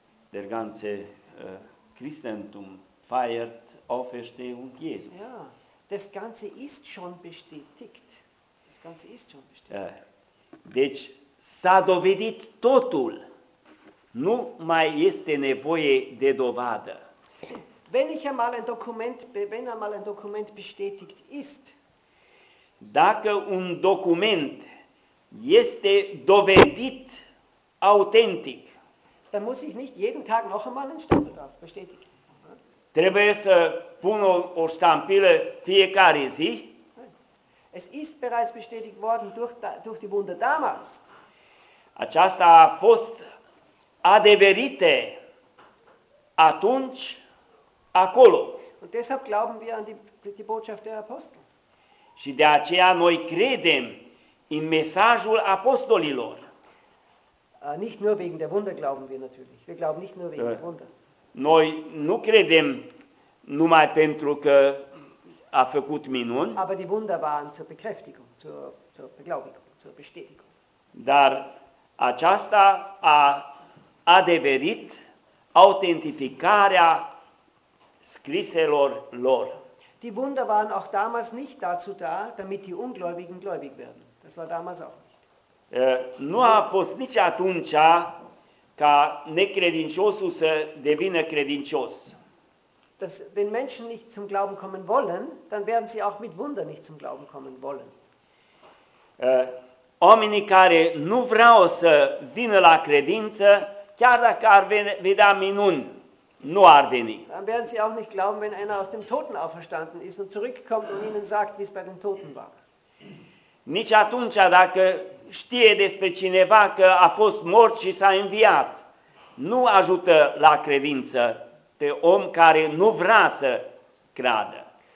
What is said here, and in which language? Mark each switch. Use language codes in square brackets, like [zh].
[de] Der ganze Christentum feiert Auferstehung Jesu. Ja, das Ganze ist schon bestätigt. Das Ganze ist schon bestätigt. [ro] Deci s-a dovedit totul. Nu mai este nevoie de dovadă. [de] Wenn einmal ein Dokument bestätigt ist, [ro] dacă un document este dovedit autentic, [de] dann muss ich nicht jeden Tag noch einmal einen Stempel drauf bestätigen. [ro] Trebuie să pun o ștampilă fiecare zi. [de] Es ist bereits bestätigt worden durch die Wunder damals. [ro] Aceasta a fost adeverite atunci, acolo. [de] Und deshalb glauben wir an die Botschaft der Apostel. [ro] Și de aceea noi credem în mesajul apostolilor. [de] Nicht nur wegen der Wunder glauben wir natürlich. Wir glauben nicht nur wegen der Wunder. [ro] Noi nu credem numai pentru că a făcut minuni. [de] Aber die Wunder waren zur Bekräftigung, zur Beglaubigung, zur Bestätigung. [ro] Dar aceasta a adeverit autentificarea scriselor lor. [de] Die Wunder waren auch damals nicht dazu da, damit die Ungläubigen gläubig werden. Das war damals auch nicht. [ro] Nu a fost nici atunci ca necredinciosul să devină credincios. [de] Das, wenn Menschen nicht zum Glauben kommen wollen, dann werden sie auch mit Wunder nicht zum Glauben kommen wollen. [ro] Oamenii care nu vreau să vină la credință, chiar dacă ar vedea minuni, nu ar veni. [de] Dann werden sie auch nicht glauben, wenn einer aus dem Toten auferstanden ist und zurückkommt und ihnen sagt, wie es bei den Toten war. [ro] Nici atunci, dacă știe despre cineva că a fost mort și s-a înviat, nu ajută la credință pe om care nu vrea să creadă.